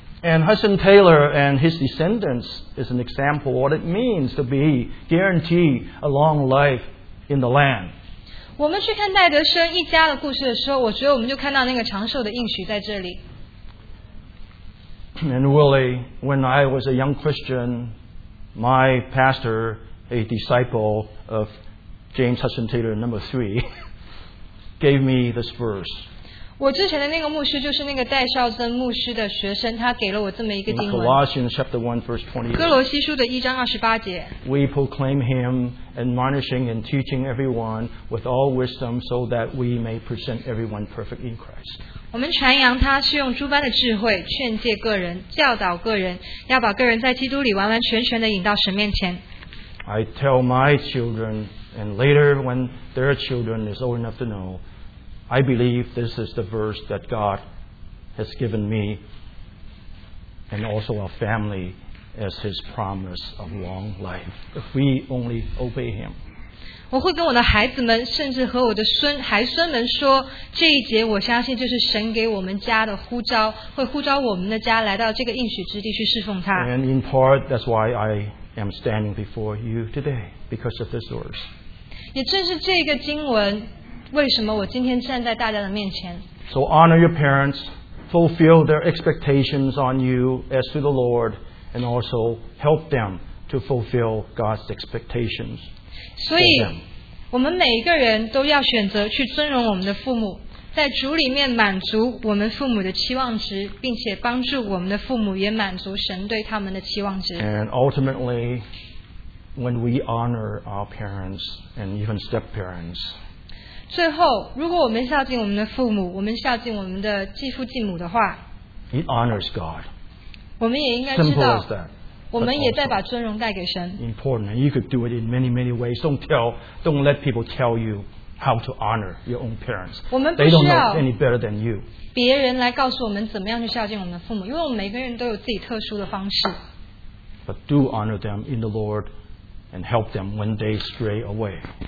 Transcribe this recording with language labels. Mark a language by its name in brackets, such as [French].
[English] And Hudson Taylor and his descendants is an example of what it means to be guaranteed a long life in the land. [Chinese] 我们去看戴德生一家的故事的时候，我觉得我们就看到那个长寿的应许在这里。 [English] And really, when I was a young Christian, my pastor, a disciple of James Hudson Taylor number 3, gave me this verse. [Chinese] 我之前的那个牧师就是那个戴绍曾牧师的学生，他给了我这么一个经文。 [English] Colossians chapter 1 verse 28. [Chinese] 哥罗西书的一章二十八节。 [English] We proclaim him, admonishing and teaching everyone with all wisdom, so that we may present everyone perfect in Christ. [Chinese] 我们传扬他是用诸般的智慧劝诫个人，教导个人，要把个人在基督里完完全全的引到神面前。 [English] I tell my children, and later when their children is old enough to know, I believe this is the verse that God has given me and also our family as His promise of long life, if we only obey Him. [Chinese] 我会跟我的孩子们，甚至和我的孩孙们说，这一节我相信就是神给我们家的呼召，会呼召我们的家来到这个应许之地去侍奉他。 [English] And in part, that's why I am standing before you today, because of this verse. [Chinese] 也正是这个经文，为什么我今天站在大家的面前。 [English] So honor your parents, fulfill their expectations on you as to the Lord, and also help them to fulfill God's expectations. [Chinese] 所以我们每一个人都要选择去尊荣我们的父母，在主里面满足我们父母的期望值，并且帮助我们的父母也满足神对他们的期望值。 [English] And ultimately, when we honor our parents and even step-parents, [Chinese] 最后，如果我们孝敬我们的父母，我们孝敬我们的继父继母的话， [English] it honors God. [Chinese] 我们也应该知道，我们也在把尊荣带给神。 [English] Important, and you could do it in many, many ways. Don't let people tell you how to honor your own parents. They don't know any better than you. [Chinese] 别人来告诉我们怎么样去孝敬我们的父母，因为我们每个人都有自己特殊的方式。 [English] But do honor them in the Lord, and help them when they stray away.